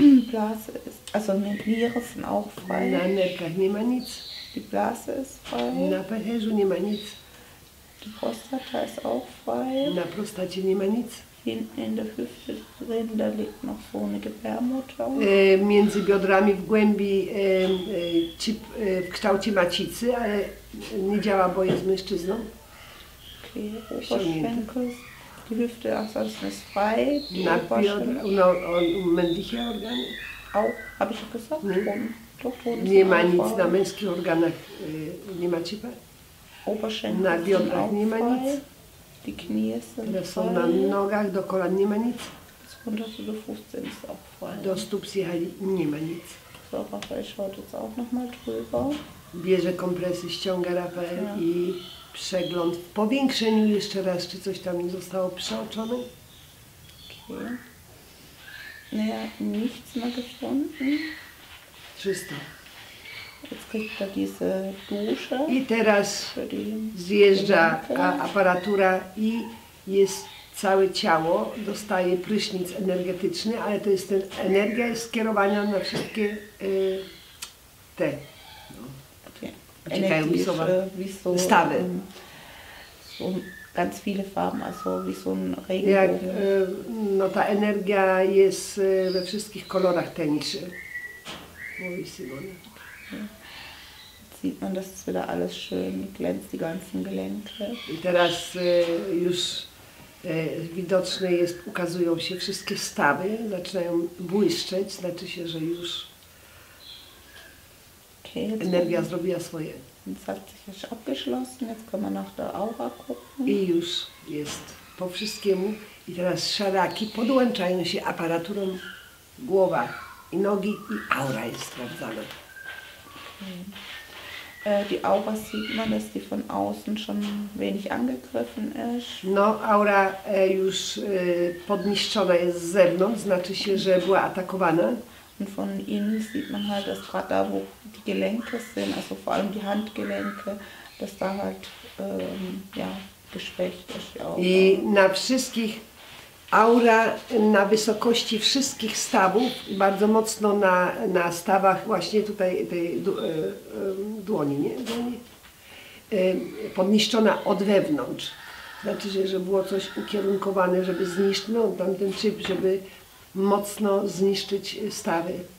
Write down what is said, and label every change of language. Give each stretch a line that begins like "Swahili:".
German: Blase ist, also Niere sind auch frei.
Polish: Na nerkach nie ma nic.
German: Die Blase ist frei.
Polish: Na pęcherzu nie ma nic.
German: Die Prostata ist auch frei.
Polish: Na prostacie nie ma nic.
German: Hinten in der Hüfte drin, da liegt noch so eine Gebärmutter.
Polish: Między biodrami w głębi chip, w kształcie macicy, ale nie działa, bo jest mężczyzną.
German: Okay, Oberschenkel. Die Hüfte ist alles frei.
Polish: Na biodrami,
German: und männliche Organe. Auch, habe ich gesagt?
Polish: Nie, nie ma nic na męskich organach, nie ma chipa. Oberschenkel. Na biodrach nie ma nic.
German: Die Knie sind
Polish: są na nogach, do kolan nie ma nic.
German: Do Fußzehen ist auch frei.
Polish: Do stóp zjechali nie ma nic.
German: So, Raphael schaut jetzt auch nochmal drüber.
Polish: Bierze kompresy, ściąga Raphael i przegląd w powiększeniu jeszcze raz, czy coś tam zostało przeoczone. Okay.
German: Naja, nichts mehr gefunden.
Polish: Czysto.
German: Jetzt kriegt er diese Dusche.
Polish: I teraz zjeżdża aparatura i jest całe ciało, dostaje prysznic energetyczny, ale to jest ten, energia jest skierowana na wszystkie te. No. Okay. Stawy.
German: So ganz viele Farben, also wie so ein Regenbogen.
Polish: No ta energia jest we wszystkich kolorach tęczy. Mówi Simone.
German: Sieht man, dass es wieder alles schön glänzt, die ganzen Gelenke.
Polish: I teraz już widoczne jest, ukazują się wszystkie stawy, zaczynają błyszczeć, znaczy się, że już okay, energia zrobiła swoje.
German: Jetzt hat sich już abgeschlossen, jetzt können wir nach der Aura gucken.
Polish: I już jest po wszystkiemu. I teraz szaraki podłączają się aparaturą głowa i nogi i aura jest sprawdzana.
German: Die Aura sieht man, dass die von außen schon wenig angegriffen ist.
Polish: No, aura już podniszczona jest z zewnątrz, znaczy się, że była atakowana.
German: Und von innen sieht man halt, dass gerade da, wo die Gelenke sind, also vor allem die Handgelenke, dass da halt ja, geschwächt ist.
Polish: I na wszystkich, aura na wysokości wszystkich stawów, bardzo mocno na stawach właśnie tutaj tej dłoni, nie? Dłoni. Podniszczona od wewnątrz. Znaczy się, że było coś ukierunkowane, żeby zniszczyć, no tamten czyp, żeby mocno zniszczyć stawy.